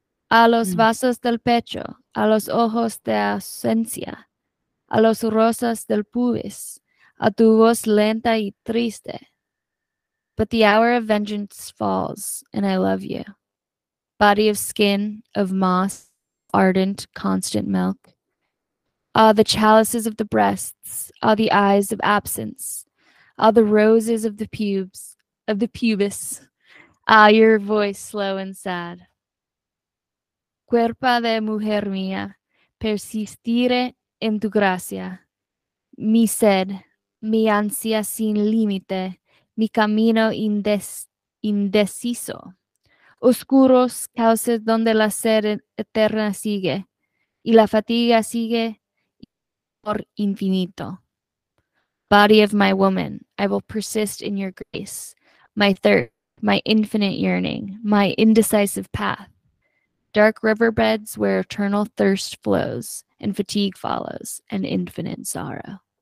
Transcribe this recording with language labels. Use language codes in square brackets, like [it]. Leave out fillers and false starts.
[es] A los vasos del pecho, a los ojos de ausencia, a los rosas del pubis, a tu voz lenta y triste. [en] But the hour of vengeance falls, and I love you. Body of skin, of moss, ardent, constant milk. Ah, the chalices of the breasts, ah, the eyes of absence, ah, the roses of the pubes, of the pubis, ah, your voice slow and sad. [es] Cuerpo de mujer mía, persistiré en tu gracia. Mi sed, mi ansia sin límite, mi camino indeciso. oscuros cauces donde la sed eterna sigue y la fatiga sigue por infinito. [en] Body of my woman, I will persist in your grace. My thirst, my infinite yearning, my indecisive path. Dark riverbeds where eternal thirst flows and fatigue follows and infinite sorrow.